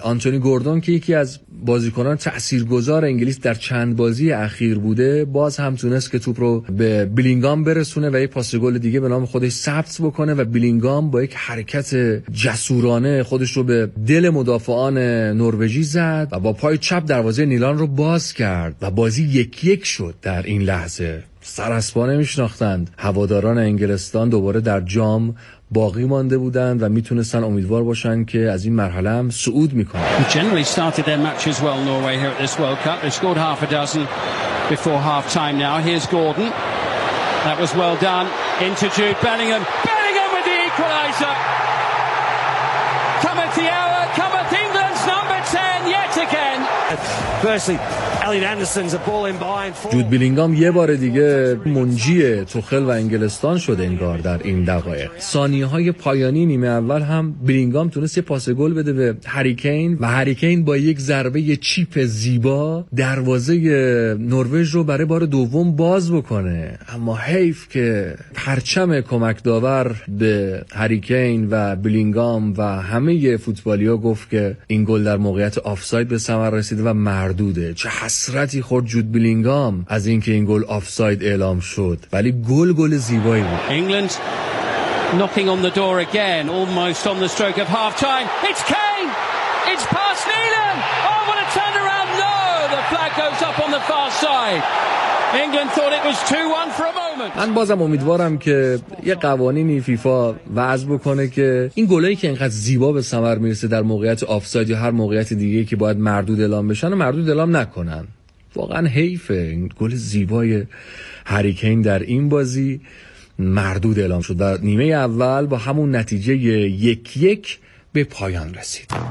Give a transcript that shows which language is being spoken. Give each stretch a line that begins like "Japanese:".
Persian: آنتونی گوردون که یکی از بازیکنان تاثیرگذار انگلیس در چند بازی اخیر بوده، باز هم تونست که توپ رو به بیلینگام برسونه و یک پاس گل دیگه به نام خودش ثبت بکنه و بیلینگام با یک حرکت جسورانه خودش رو به دل مدافعان نروژی زد و با پای چپ دروازه نیلان رو باز کرد و بازی 1-1 شد. در این لحظه سر از پا نمی‌شناختند، هواداران انگلستان دوباره در جام باقی مانده بودند و میتونستن امیدوار باشن که از این مرحله هم صعود میکنن.
English: Generally started their match as well Norway here at this World Cup. They scored half a dozen before half time now. Here's Gordon. That was well done. Into Jude Bellingham. Bellingham with the equaliser. Cometh the hour. Cometh England's number 10 yet again. Firstly, Elliot Anderson's a ball in behind.
Persian: Jude Bellingham یه بار دیگه منجی توخل و انگلستان شد انگار در این دقایق. ثانیه‌های پایانی نیمه اول هم بلینگام تونست یه پاس گل بده به هری کین و هری کین با یک ضربه چیپ زیبا دروازه نروژ رو برای بار دوم باز بکنه. اما حیف که پرچم کمک داور به هری کین و بلینگام و همه فوتبالی‌ها گفت که این گل در موقعیت آفساید به ثمر رسیده و مردوده. چه حسرتی خورد جود بلینگام از اینکه این گل آفساید اعلام شد، ولی گل گل زیبایی بود.
English: England knocking on the door again, almost on the stroke of half time. It's Kane. It's past Neilan. Oh, what a turnaround! No, the flag goes up on the far side. England thought it was 2-1 for a moment.
Persian: من بازم امیدوارم که یه قوانینی فیفا وضع بکنه که این گلایی که اینقدر زیبا به ثمر میرسه در موقعیت آفساید یا هر موقعیت دیگه‌ای که باید مردود اعلام بشن و مردود اعلام نکنن. واقعا حیفه، این گل زیبای هری کین در این بازی مردود اعلام شد و نیمه اول با همون نتیجه 1-1 به پایان رسید.